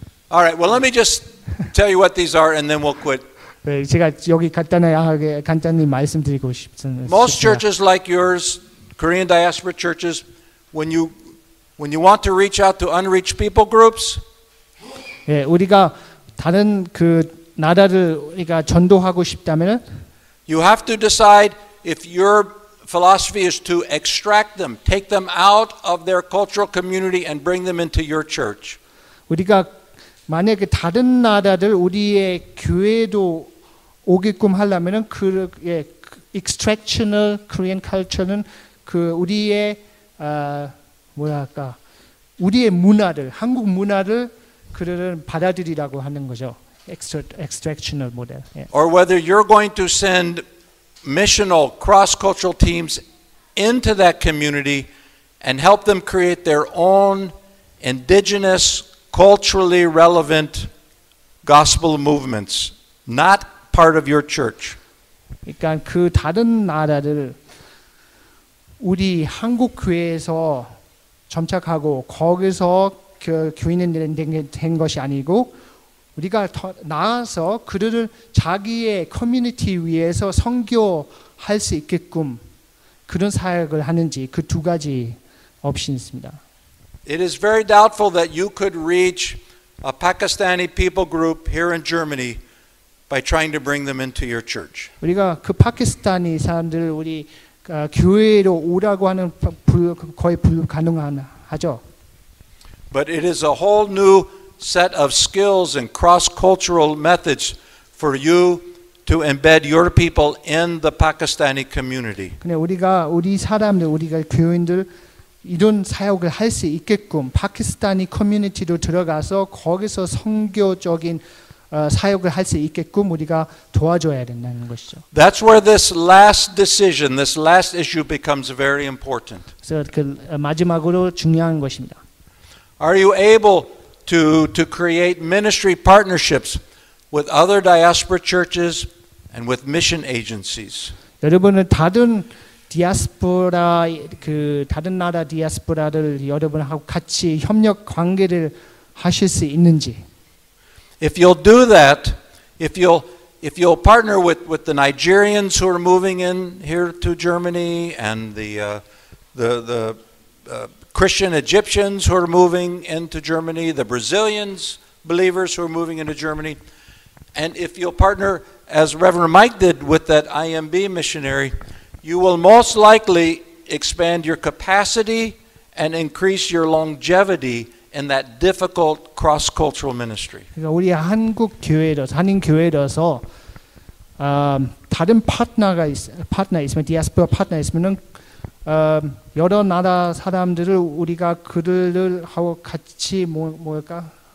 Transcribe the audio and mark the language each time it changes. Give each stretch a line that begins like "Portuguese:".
English: All right, well, let me just tell you what these are and then we'll quit.
Korean: 네, 제가 여기 간단하게 간단히 말씀드리고 싶습니다.
English: Most churches like yours, Korean diaspora churches, when you want to reach out to unreached people groups,
Korean: 예, 우리가 다른 그 나라를 우리가 전도하고 싶다면은
English: You have to decide if your philosophy is to extract them, take them out of their cultural community and bring them into your church.
Korean: 우리가 만약에 다른 나라들 우리의 교회도 오게끔 하려면은 그 예,
English: extractional Korean culture
Korean: 는 그 우리의 뭐랄까? 우리의 문화를 한국 문화를 그들은 받아들이라고 하는 거죠.
English: Extractional model. Yeah. Or whether you're going to send missional cross-cultural teams into that community and help them create their own indigenous, culturally relevant gospel movements, not part of your church.
Korean: 그러니까 그 다른 나라들 우리 한국 교회에서 정착하고 거기서 그 교인들이 된 것이 아니고. 우리가 더 나아서 그들을 자기의 커뮤니티 위에서 선교할 수 있게끔 그런 사역을 하는지 그 두 가지 옵션이 있습니다.
English: It is very doubtful that you could reach a Pakistani people group here in Germany by trying to bring them into your church.
Korean: 우리가 그 파키스탄이 사람들 우리 교회로 오라고 하는 거의 불가능하죠.
English: But it is a whole new set of skills and cross-cultural methods for you to embed your people in the Pakistani community.
Korean: 근데 우리가 우리 사람들 우리가 교인들 이런 사역을 할 수 있게끔 파키스탄이 커뮤니티로 들어가서 거기서 선교적인 사역을 할 수 있게끔 우리가 도와줘야 된다는 것이죠.
English: That's where this last decision, this last issue becomes very important.
Korean: 그 마지막으로 중요한 것입니다.
English: Are you able to create ministry partnerships with other diaspora churches and with mission agencies.
Korean: 여러분은 다른 디아스포라 그 다른 나라 디아스포라를 여러분하고 같이 협력 관계를 하실 수 있는지.
English: If you'll do that, if you'll partner with the Nigerians who are moving in here to Germany and the Christian Egyptians who are moving into Germany, the Brazilians believers who are moving into Germany, and if you'll partner as Reverend Mike did with that IMB missionary, you will most likely expand your capacity and increase your longevity in that difficult cross-cultural ministry.
Korean: 우리 한국 교회에서 한인 교회에서 다른 파트너가 파트너 있으면 디아스포라 파트너 있으면은 여러 나라 사람들을 우리가 그들을 하고 같이 뭘까?